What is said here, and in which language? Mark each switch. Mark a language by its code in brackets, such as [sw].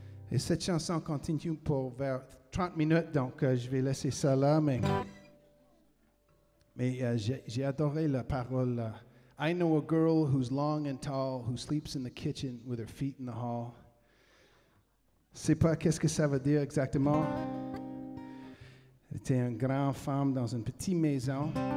[fr] Et cette chanson continue pour vers 30 minutes, donc je vais laisser ça là, mais j'ai adoré la parole. [en] I know a girl who's long and tall, who sleeps in the kitchen with her feet in the hall. [fr] C'est pas qu'est-ce que ça veut dire exactement. C'était une grande femme dans une petite maison.